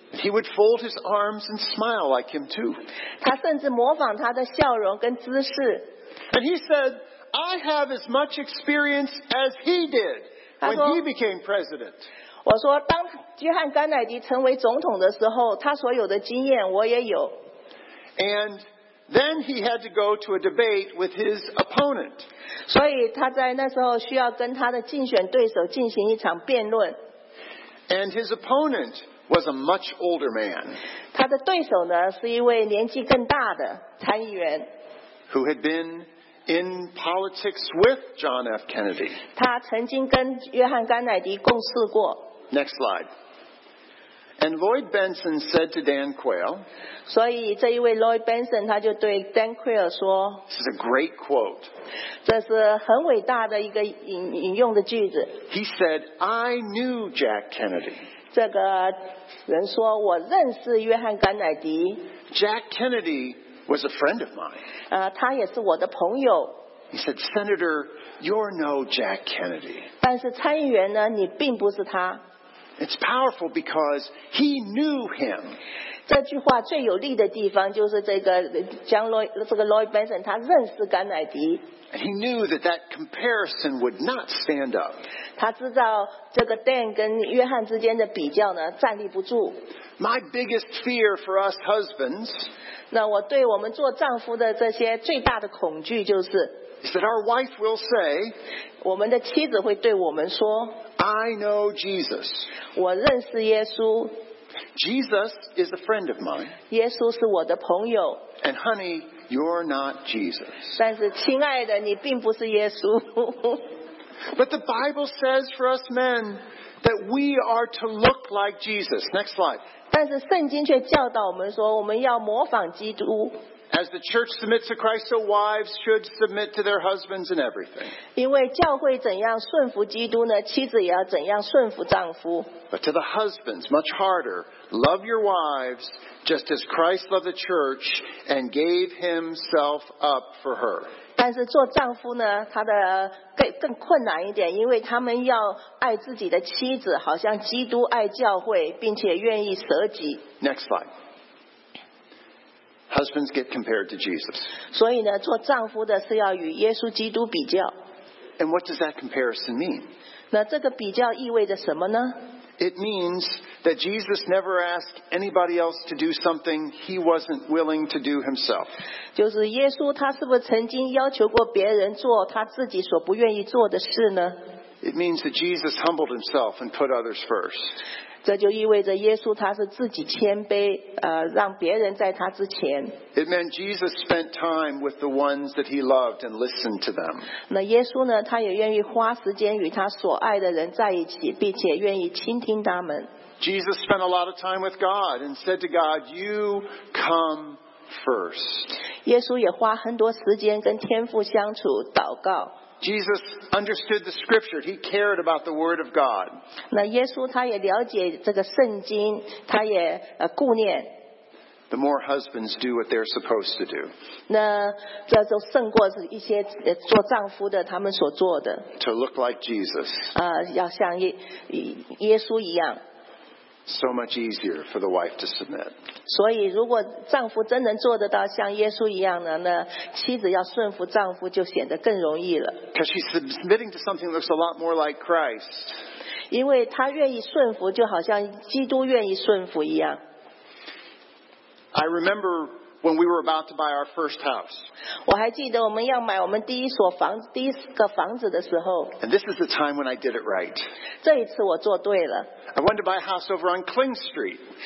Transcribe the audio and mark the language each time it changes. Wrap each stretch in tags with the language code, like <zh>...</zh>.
<en>He would fold his arms and smile like him too.</en> <zh>他甚至模仿他的笑容跟姿势。</zh> <en>And he said, "I have as much experience as he did when he became president."</en> <zh>我说当约翰·甘乃迪成为总统的时候，他所有的经验我也有。</zh> <en>And Then he had to go to a debate with his opponent.</en> <zh>所以他在那时候需要跟他的竞选对手进行一场辩论。</zh> <en>And his opponent was a much older man.</en> <zh>他的对手呢是一位年纪更大的参议员。</zh> <en>Who had been in politics with John F. Kennedy.</en> <zh>他曾经跟约翰甘乃迪共事过。</zh> <en>Next slide. And Lloyd Benson said to Dan Quayle,</en> <zh>所以这一位 Lloyd Benson 他就对 Dan Quayle 说</zh> <en>This is a great quote.</en> <zh>这是很伟大的一个引用的句子</zh> <en>He said, I knew Jack Kennedy.</en> <zh>这个人说我认识约翰甘乃迪</zh> <en>Jack Kennedy was a friend of mine.</en> <zh>他也是我的朋友</zh> <en>He said, Senator, you're no Jack Kennedy.</en> <zh>但是参议员呢你并不是他</zh> <en>It's powerful because he knew him.</en> <zh>这句话最有力的地方就是这个将这个 Lloyd Benson 他认识甘乃迪。</zh> <en>He knew that that comparison would not stand up.</en> <zh>他知道这个 Dan 跟约翰之间的比较呢站立不住。</zh> <en>My biggest fear for us husbands.</en> <zh>那我对我们做丈夫的这些最大的恐惧就是。</zh> <en>Is that our wife will say,</en> <zh>我们的妻子会对我们说</zh> <en>I know Jesus.</en> <zh>我认识耶稣</zh> <en>Jesus is a friend of mine.</en> <zh>耶稣是我的朋友</zh> <en>And honey, you're not Jesus.</en> <zh>但是亲爱的你并不是耶稣</zh> <en>But the Bible says for us men that we are to look like Jesus. Next slide.</en> <zh>但是圣经却教导我们说我们要模仿基督</zh> <en>As the church submits to Christ, so wives should submit to their husbands in everything.</en> <zh>因为教会怎样顺服基督呢？妻子也要怎样顺服丈夫。</zh> <en>But to the husbands, much harder, love your wives just as Christ loved the church and gave himself up for her.</en> <zh>但是做丈夫呢，他的更困难一点，因为他们要爱自己的妻子，好像基督爱教会，并且愿意舍己。</zh> <en>Next slide. Husbands get compared to Jesus.</en> <zh>所以呢，做丈夫的是要与耶稣基督比较。</zh> <en>And what does that comparison mean?</en> <zh>那这个比较意味着什么呢？</zh> <en>It means that Jesus never asked anybody else to do something he wasn't willing to do himself.</en> <zh>就是耶稣他是不是曾经要求过别人做他自己所不愿意做的事呢？</zh> <en>It means that Jesus humbled himself and put others first.</en> <zh>这就意味着耶稣他是自己谦卑，让别人在他之前。</zh> <en>It meant Jesus spent time with the ones that he loved and listened to them.</en> <zh>那耶稣呢，他也愿意花时间与他所爱的人在一起，并且愿意倾听他们。</zh> <en>Jesus spent a lot of time with God and said to God, "You come first."</en> <zh>耶稣也花很多时间跟天父相处，祷告。</zh> <en>Jesus understood the scripture. He cared about the word of God.</en> <zh>那耶稣他也了解这个圣经，他也顾念。</zh> <en>The more husbands do what they're supposed to do.</en> <zh>那这就胜过一些做丈夫的他们所做的。</zh> <en>To look like Jesus.</en> <zh>要像耶稣一样。</zh> <en>So much easier for the wife to submit.</en> <zh>所以如果丈夫真能做得到像耶稣一样呢，那妻子要顺服丈夫就显得更容易了。</zh> <en>Because she's submitting to something that looks a lot more like Christ.</en> <zh>因为她愿意顺服，就好像基督愿意顺服一样。</zh> <en>I remember when we were about to buy our first house.</en> <zh>我还记得我们要买我们第一所房子第一个房子的时候。</zh> <en>And this is the time when I did it right.</en> <zh>这一次我做对了。</zh> <en>I wanted to buy a house over on Kling Street.</en>